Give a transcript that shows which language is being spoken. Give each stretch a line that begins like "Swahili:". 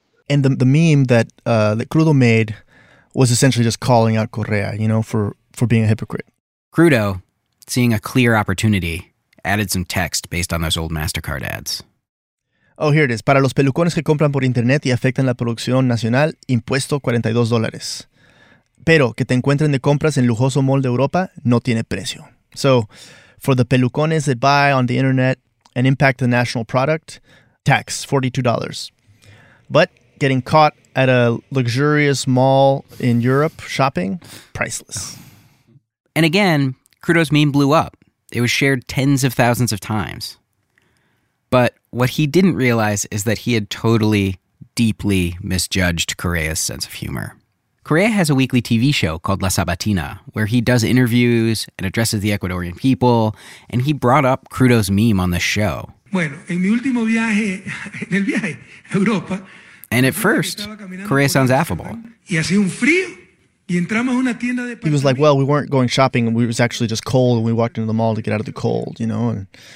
English: And the meme that that Crudo made was essentially just calling out Correa, you know, for being a hypocrite. Crudo, seeing a clear opportunity, added some text based on those old MasterCard ads. Oh, here it is.
Spanish: Para los pelucones que compran por internet y afectan la producción nacional, impuesto $42. Pero que te encuentren de compras en lujoso mall de Europa, no tiene precio.
English: So, for the pelucones that buy on the internet and impact the national product, tax, $42. But getting caught at a luxurious mall in Europe shopping, priceless. And again, Crudo's meme blew up. It was shared tens of thousands of times. But what he didn't realize is that he had totally, deeply misjudged Correa's sense of humor. Correa has a weekly TV show called La Sabatina, where he does interviews and addresses the Ecuadorian people, and he brought up Crudo's meme on the show.
Spanish: Bueno, en mi último viaje, en el viaje a Europa.
English: And at first, Correa sounds affable.
Spanish: Y hacía un frío.
English: He was like, well, we weren't going shopping. It was actually just cold, and we walked into the mall to get out of the cold, you know.